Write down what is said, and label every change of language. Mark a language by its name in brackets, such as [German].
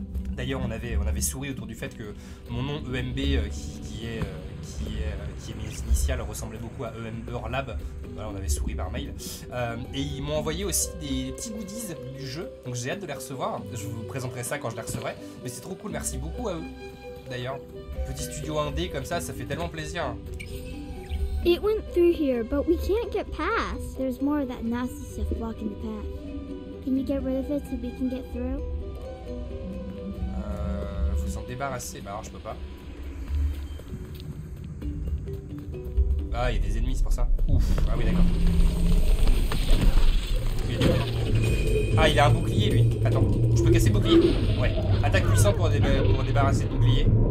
[French] D'ailleurs, on avait souri autour du fait que mon nom EMB qui est mes initiales ressemblait beaucoup à Humberlab. Voilà, on avait souri par mail. Et ils m'ont envoyé aussi des petits goodies du jeu. Donc j'ai hâte de les recevoir. Je vous présenterai ça quand je les recevrai. Mais c'est trop cool, merci beaucoup à eux. D'ailleurs, petit studio indé comme ça, ça fait tellement plaisir. [English] It went through here, but we can't get past. There's more of that nasty stuff blocking the path. Can you get rid of it so we can get through? [French] S'en débarrasser, bah alors je peux pas. Ah, il y a des ennemis, c'est pour ça. Ouf, ah oui, d'accord. Ah, il a un bouclier lui. Attends, je peux casser le bouclier? Ouais, attaque puissante pour débarrasser le bouclier.